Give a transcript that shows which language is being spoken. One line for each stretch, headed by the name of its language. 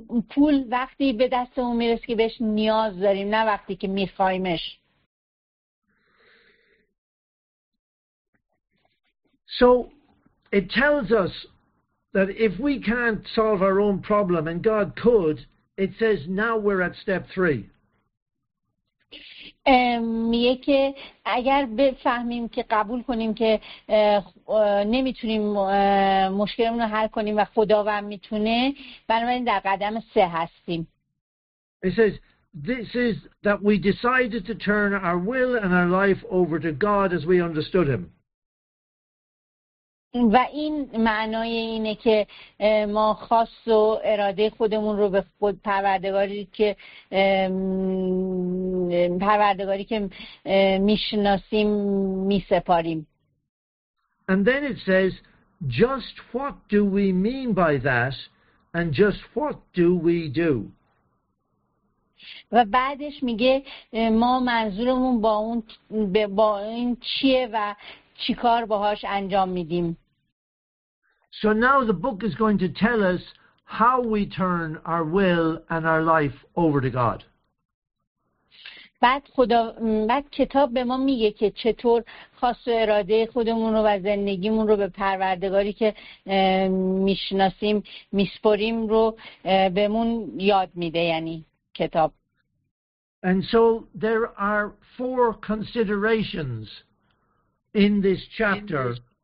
Persian: پول وقتی به دستمون میرسه که بهش نیاز داریم، نه وقتی که میخوایمش.
English: So it tells us that if we can't solve our own problem and God could, it says now we're at step three.
Persian: میگه که اگر بفهمیم که قبول کنیم که نمیتونیم مشکلمون رو حل کنیم و خداوند میتونه، بنابراین در قدم سه هستیم.
English: It says this is that we decided to turn our will and our life over to God as we understood him.
Persian: و این معنای اینه که ما خاص و اراده خودمون رو به خود پروردگاری که میشناسیم میسپاریم.
English: And then it says just what do we mean by that and just what do we do.
Persian: و بعدش میگه ما منظورمون با این چیه و چیکار باهاش انجام میدیم.
English: So now the book is going to tell us how we turn our will and our life over to God.
Persian: بعد کتاب به ما میگه که چطور خاص و اراده خودمون رو و زندگیمون رو به پروردگاری که میشناسیم میسپاریم رو بهمون یاد میده، یعنی کتاب.
English: And so there are four considerations in this chapter.